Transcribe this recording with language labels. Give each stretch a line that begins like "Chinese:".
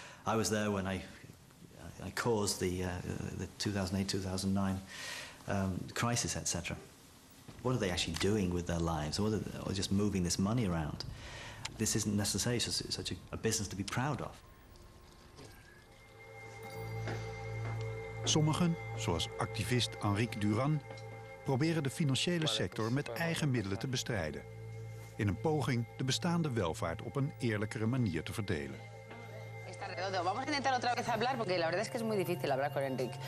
English: I was there when I caused the 2008-2009 crisis, etc. What are they actually doing with their lives? Or just moving this money around? This isn't necessarily such a business to be proud of.
Dutch: Sommigen, zoals activist Henrik Duran, proberen de financiële sector met eigen middelen te bestrijden. In een poging de bestaande welvaart op een eerlijkere manier te verdelen.
Spanish: Vamos a intentar otra vez hablar, porque la verdad es que es muy difícil hablar con Enric.